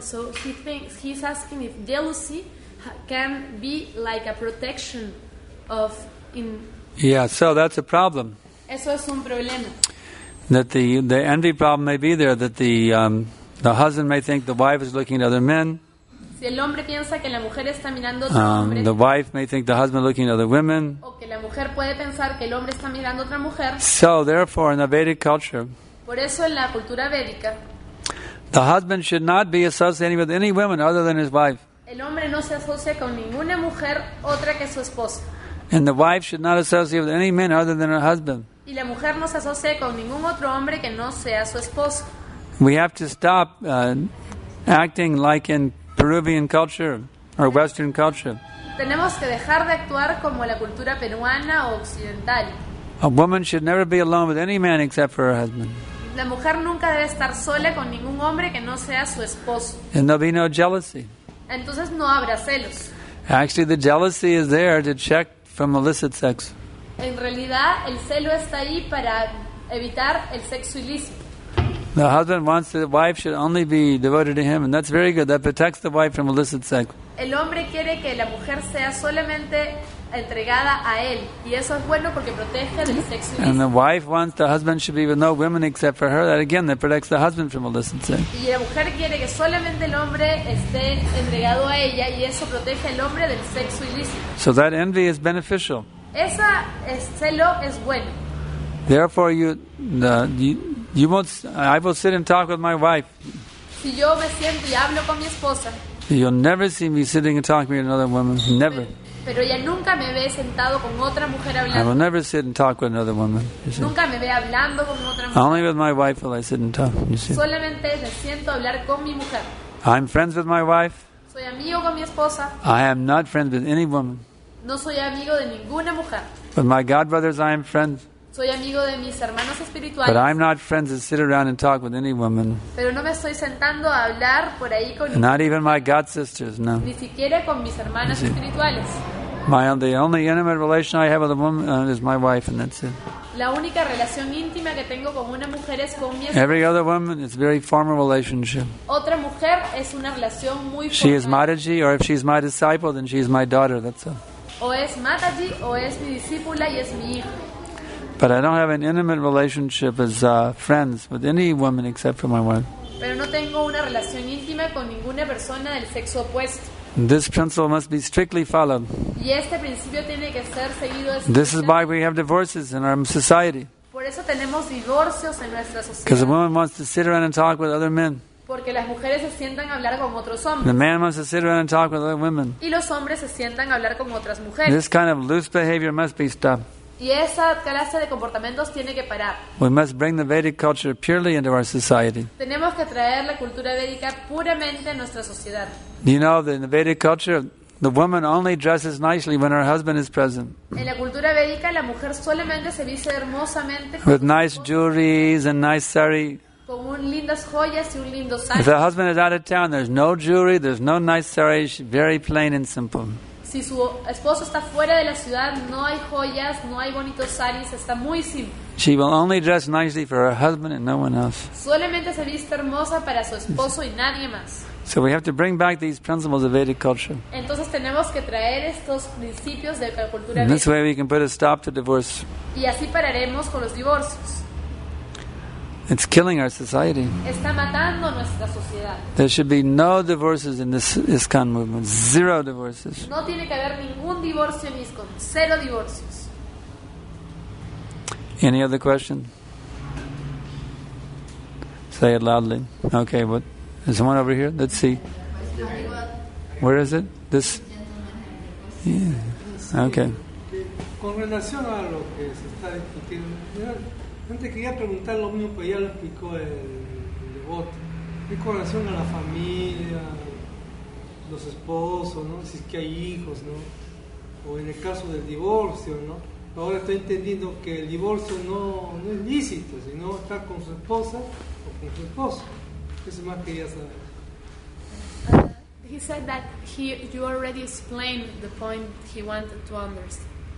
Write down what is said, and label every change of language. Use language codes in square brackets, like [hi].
[en] So he thinks, he's asking if jealousy can be like a protection of in. Yeah, so that's a problem. [es] Eso es un problema. [en] That the envy problem may be there, that the husband may think the wife is looking at other men. [es] Si el hombre piensa que la mujer está mirando otro hombre, [en] the wife may think the husband looking at other women. [es] O que la mujer puede pensar que el hombre está mirando otra mujer. [en] So therefore in a Vedic culture, [es] por eso en la cultura védica, [en] the husband should not be associating with any woman other than his wife. [es] El hombre no se asocia con ninguna mujer otra que su esposa. [en] And the wife should not associate with any man other than her husband. [es] Y la mujer no se asocia con ningún otro hombre que no sea su esposo. [en] We have to stop acting like in Peruvian culture or Western culture. [es] Tenemos que dejar de actuar como la cultura peruana o occidental. [en] A woman should never be alone with any man except for her husband. [es] La mujer nunca debe estar sola con ningún hombre que no sea su esposo. [en] And there'll be no jealousy. [es] Entonces no habrá celos. [en] Actually, the jealousy is there to check from illicit sex. [es] En realidad, el celo está ahí para evitar el sexo ilícito. [en] The husband wants the wife should only be devoted to him, and that's very good. That protects the wife from illicit sex. [es] El hombre quiere que la mujer sea solamente entregada a él, y eso es bueno porque protege del sexo ilícito. [en] And the wife wants the husband should be with no women except for her. That again, that protects the husband from illicit sex. [es] Y la mujer quiere que solamente el hombre esté entregado a ella, y eso protege al hombre del sexo ilícito. [en] So that envy is beneficial. [es] Esa celo es bueno. [en] Therefore, you You won't. I will sit and talk with my wife. [es] Si yo me siento y hablo con mi esposa. [en] You'll never see me sitting and talking with another woman. Never. [es] Pero ella nunca me ve sentado con otra mujer hablando. [en] I will never sit and talk with another woman. [es] Nunca me ve hablando con otra mujer. [en] Only with my wife will I sit and talk. You see. [es] Solamente me siento hablar con mi mujer. [en] I'm friends with my wife. [es] Soy amigo con mi esposa. [en] I am not friends with any woman. [es] No soy amigo de ninguna mujer. [en] With my God brothers, I am friends. [es] Soy amigo de mis hermanos espirituales. [en] But I'm not friends to sit around and talk with any woman. [es] Pero no me estoy sentando a hablar por ahí con. [en] Not even my God sisters, no. [es] Ni siquiera con mis hermanas espirituales. [en] The only intimate relation I have with a woman is my wife, and that's it. [es] La única relación íntima que tengo con una mujer es con mi esposa. [en] Every other woman is a very formal relationship. [es] Otra mujer es una relación muy formal. [en] She is Mataji, or if she's my disciple, then she's my daughter. That's it. [es] O es Mataji, o es mi discípula y es mi hija. [en] But I don't have an intimate relationship as friends with any woman except for my wife. [es] Pero no tengo una relación íntima con ninguna persona del sexo opuesto. [en] This principle must be strictly followed. [es] Y este principio tiene que ser seguido. [en] This is why we have divorces in our society. [es] Por eso tenemos divorcios en nuestra sociedad. [en] Because a woman wants to sit around and talk with other men. [es] Porque las mujeres se sientan a hablar con otros hombres. [en] The man wants to sit around and talk with other women. [es] Y los hombres se sientan a hablar con otras mujeres. [en] This kind of loose behavior must be stopped. [es] Y esa clase de comportamientos tiene que parar. [en] We must bring the Vedic culture purely into our society. [es] Tenemos que traer la cultura védica puramente a nuestra sociedad. [en] You know that in the Vedic culture, the woman only dresses nicely when her husband is present. [es] En la cultura védica, la mujer solamente se viste hermosamente. [en] With nice jewelry and nice sari. [es] Con un lindas joyas y un lindo sari. [en] If her husband is out of town, there's no jewelry, there's no nice sari, she's very plain and simple. [es] Si su esposo está fuera de la ciudad, no hay joyas, no hay bonitos saris, está muy simple. [en] She will only dress nicely for her husband and no one else. [es] Solamente se viste hermosa para su esposo y nadie más. [en] So we have to bring back these principles of Vedic culture. [es] Entonces tenemos que traer estos principios de la cultura. [en] This way we can put a stop to divorce. [es] Y así pararemos con los divorcios. [en] It's killing our society. [es] Está matando nuestra sociedad. [en] There should be no divorces in this ISKCON movement. Zero divorces. [es] No tiene que haber ningún divorcio en ISKCON. Cero divorcios. [en] Any other question? Say it loudly. Okay, but is someone over here? Let's see. Where is it? This? Yeah. Okay. [es] Con relación a lo que se está discutiendo. Antes quería preguntar lo mismo, pues ya lo explicó el devoto. En relación a la familia, los esposos, ¿no? Si es que hay hijos, ¿no? O en el caso del divorcio, ¿no? Ahora estoy entendiendo que el divorcio no es lícito, sino estar con su esposa o con su esposo. Eso más quería saber. [en] He said that you already explained the point he wanted to understand.